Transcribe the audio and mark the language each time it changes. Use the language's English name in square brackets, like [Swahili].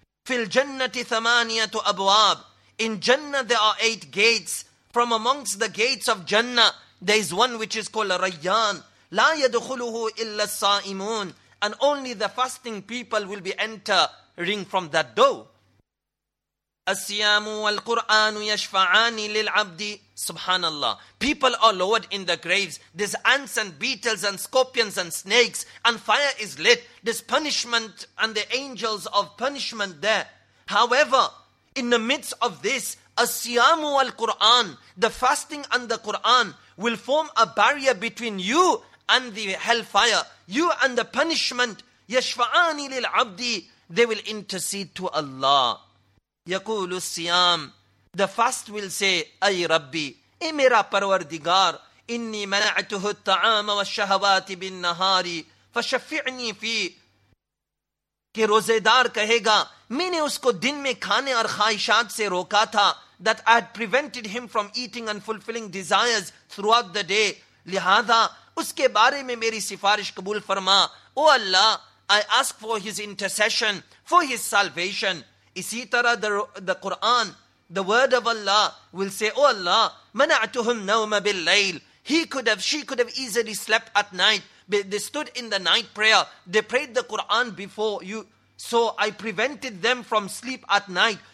[Arabic] Fil jannati thamaniyatu abwab. [English] In Jannah there are 8 gates. From amongst the gates of Jannah, there is one which is called Rayyan. [Arabic] لا يدخله إلا الصائمون. [English] And only the fasting people will be entering from that door. [Arabic] الصيام والقرآن يشفعان للعبد. Subhanallah. [English] People are lowered in the graves. There's ants and beetles and scorpions and snakes. And fire is lit. There's punishment and the angels of punishment there. However, in the midst of this, [Arabic] الصيام والقرآن, [English] the fasting and the Quran will form a barrier between you and the hellfire, you and the punishment. [Arabic] يشفعان للعبد, [English] they will intercede to Allah. [Arabic] يقول الصيام, [English] the fast will say, [Arabic] أي ربي, [Urdu] اي میرا پروردگار, [Arabic] إني منعته الطعام والشهوات بالنهار فشفعني فيه. [Urdu] کہ روزے دار کہے گا, میں نے اس کو دن میں کھانے اور خواہشات سے روکا تھا, [English] that I had prevented him from eating and fulfilling desires throughout the day. [Urdu] لہذا اس کے بارے میں میری سفارش قبول فرما. [English] O Allah, I ask for his intercession, for his salvation. Isi tara the Quran, the word of Allah will say, oh Allah, [Arabic] mana'tuhum nawma bil layl. [English] She could have easily slept at night. They stood in the night prayer. They prayed the Quran before you. So I prevented them from sleep at night.